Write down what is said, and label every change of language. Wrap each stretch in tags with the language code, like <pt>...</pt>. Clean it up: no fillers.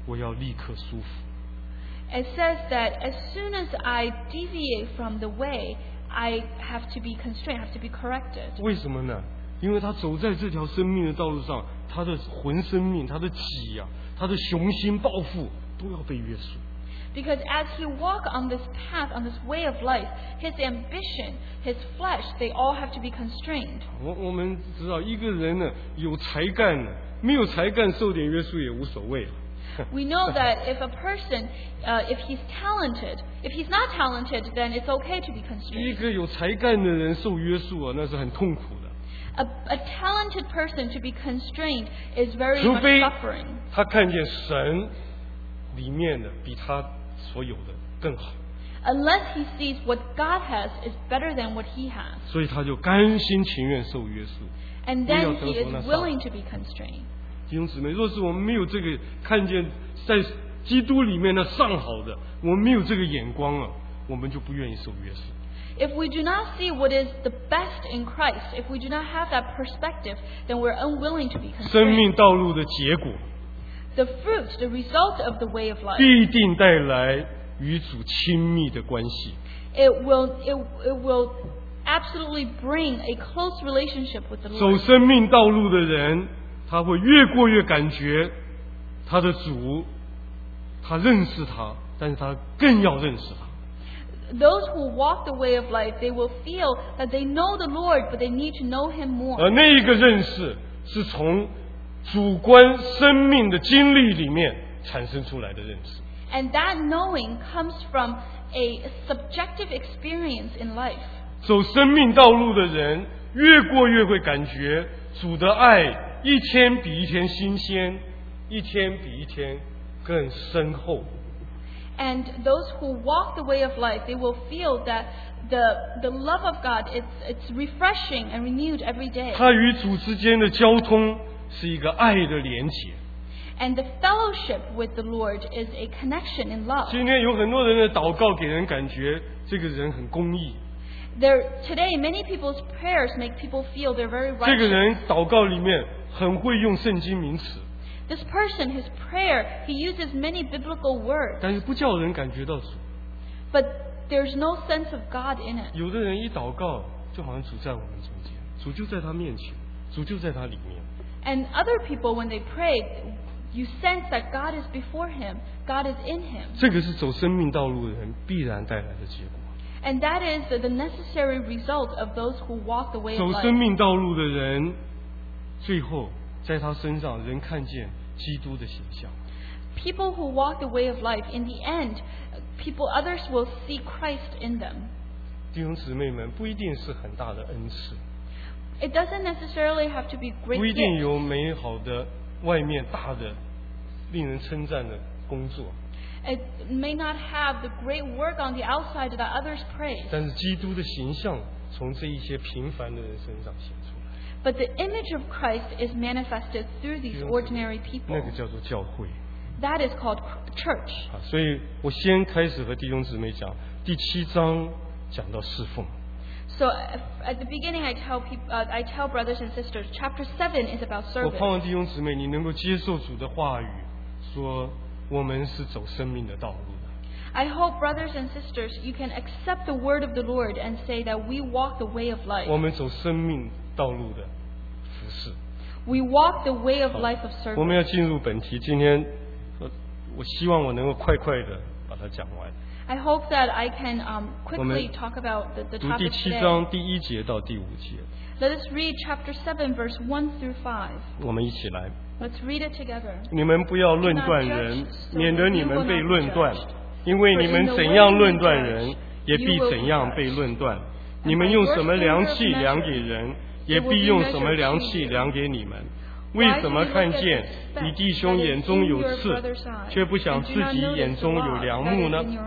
<zh>这首诗歌他说：“我若稍微偏离正路，我要立刻舒服。”</zh> <en>It says that as soon as I deviate from the way, I have to be constrained, have to be corrected.</en> <zh>为什么呢？因为他走在这条生命的道路上，他的魂生命、他的己呀、他的雄心抱负都要被约束。</zh> <en>Because as he walk on this path, on this way of life, his ambition, his flesh, they all have to be constrained.</en> <zh>我们知道一个人呢有才干的，没有才干受点约束也无所谓了。</zh> <en>We know that if a person, if he's talented, if he's not talented, then it's okay to be constrained.</en> <zh>一个有才干的人受约束啊，那是很痛苦的。</zh> <en>A talented person to be constrained is very suffering.</en> <zh>除非他看见神里面的比他所有的更好。</zh> <en>Unless he sees what God has is better than what he has.</en> <zh>所以他就甘心情愿受约束。</zh> <en>And then he is willing to be constrained.</en> <zh>弟兄姊妹，若是我们没有这个看见在基督里面的上好的，我们没有这个眼光啊，我们就不愿意受约束。</zh> <en>If we do not see what is the best in Christ, if we do not have that perspective, then we're unwilling to be constrained.</en> <zh>生命道路的结果。</zh> <en>The fruit, the result of the way of life.</en> <zh>必定带来与主亲密的关系。</zh> <en>It will absolutely bring a close relationship with the Lord.</en> <zh>走生命道路的人，他会越过越感觉他的主，他认识他，但是他更要认识他。</zh> <en>Those who walk the way of life, they will feel that they know the Lord, but they need to know Him more.</en> <zh>而那一个认识是从主观生命的经历里面产生出来的认识。</zh> <en>And that knowing comes from a subjective experience in life.</en> <zh>走生命道路的人越过越会感觉主的爱一天比一天新鲜，一天比一天更深厚。</zh> <en>And those who walk the way of life, they will feel that the love of God it's refreshing and renewed every day.</en> <zh>他与主之间的交通是一个爱的连结。</zh> <en>And the fellowship with the Lord is a connection in love.</en> <zh>今天有很多人的祷告给人感觉这个人很公义。</zh> <en>There today many people's prayers make people feel they're very righteous.</en> <zh>这个人祷告里面很会用圣经名词。</zh> <en>This person, his prayer, he uses many biblical words.</en> <zh>但是不叫人感觉到主。</zh> <en>But there's no sense of God in it.</en> <zh>有的人一祷告，就好像主在我们中间，主就在他面前，主就在他里面。</zh> <en>And other people, when they pray, you sense that God is before him, God is in him.</en> <zh>这个是走生命道路的人必然带来的结果。</zh> <en>And that is the necessary result of those who walk the way of life.</en> <zh>走生命道路的人，最后。在他身上，人看见基督的形象。</zh> <en>People who walk the way of life, in the end, people others will see Christ in them.</en> <zh>弟兄姊妹们，不一定是很大的恩赐。</zh> <en>It doesn't necessarily have to be great.</en> <zh>不一定有美好的外面大的、令人称赞的工作。</zh> <en>It may not have the great work on the outside that others praise.</en> <zh>但是基督的形象从这一些平凡的人身上显出。</zh> <en>But the image of Christ is manifested through these ordinary people.</en> <zh>那个叫做教会。</zh> <en>That is called church.</en> <zh>所以我先开始和弟兄姊妹讲，第七章讲到侍奉。</zh> <en>So at the beginning, I tell brothers and sisters, chapter 7 is about service.</en> <zh>我盼望弟兄姊妹，你能够接受主的话语，说我们是走生命的道路。</zh> <en>I hope, brothers and sisters, you can accept the word of the Lord and say that we walk the way of life.</en> <zh>我们走生命道路的服事。</zh> <en>We walk the way of life of service.</en> <zh>我们要进入本题，今天我希望我能够快快的把它讲完。</zh> <en>I hope that I can quickly talk about the topic today.</en> <zh>读第七章第一节到第五节。</zh> <en>Let us read chapter 7, verse 1 through 5.</en> <zh>我们一起来。</zh> <en>Let's read it together.</en> <zh>你们不要论断人，免得你们被论断。因为你们怎样论断人，也必怎样被论断。你们用什么量器量给人，也必用什么量器量给你们。为什么看见你弟兄眼中有刺，却不想自己眼中有良木呢？</zh>